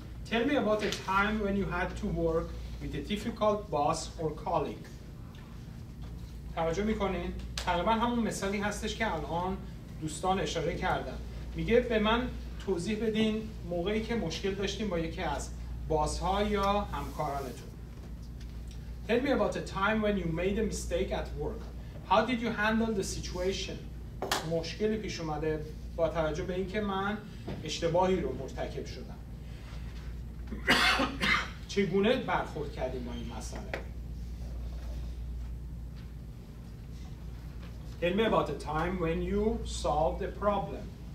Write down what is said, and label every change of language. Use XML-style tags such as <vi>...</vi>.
<en>Tell me about a time when you had to work with a difficult boss or colleague.</en> <fa>توجه میکنین؟ تقریبا همون مثالی هستش که الان دوستان اشاره کردن. میگه به من توضیح بدین موقعی که مشکل داشتیم با یکی از باس‌ها یا همکارانتون.</fa> <en>Tell me about a time when you made a mistake at work. How did you handle the situation?</en> <fa>مشکلی پیش اومده با توجه به اینکه من اشتباهی رو مرتکب شدم. چگونه برخورد کردیم با این مسئله؟</fa> <en>Tell me about a time when you solved a problem.</en>